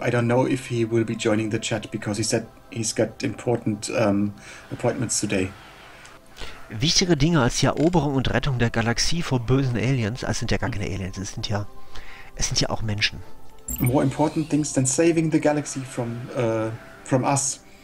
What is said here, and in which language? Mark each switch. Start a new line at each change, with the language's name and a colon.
English: I don't know if he will be joining the chat because he said he's got important appointments today.
German: Wichtigere Dinge als die Eroberung und Rettung der Galaxie vor bösen Aliens. Es sind ja gar keine Aliens, es sind ja auch Menschen.
English: More important things than saving the galaxy from us.